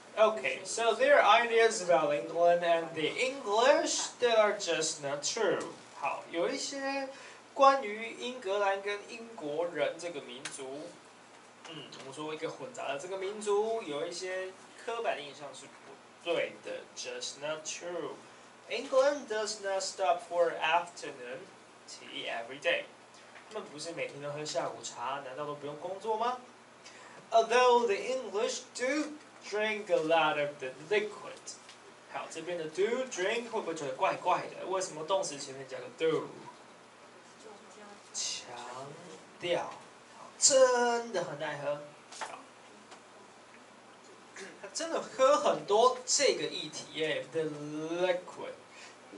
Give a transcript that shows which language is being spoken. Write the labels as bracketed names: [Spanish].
[English] Okay, so their ideas about England and the English, they are just not true. [Chinese] 好，有一些关于英格兰跟英国人这个民族，我说一个混杂的这个民族，有一些刻板印象是不对的。 [English] Just not true. England does not stop for afternoon tea every day. [Chinese] 他们不是每天都喝下午茶，难道都不用工作吗？ [English] Although the English do drink a lot of the liquid. [Chinese] 好，这边的 do drink 会不会觉得怪怪的？为什么动词前面加个 do？强调，真的很爱喝。他真的喝很多这个液体耶 ， [English] the liquid。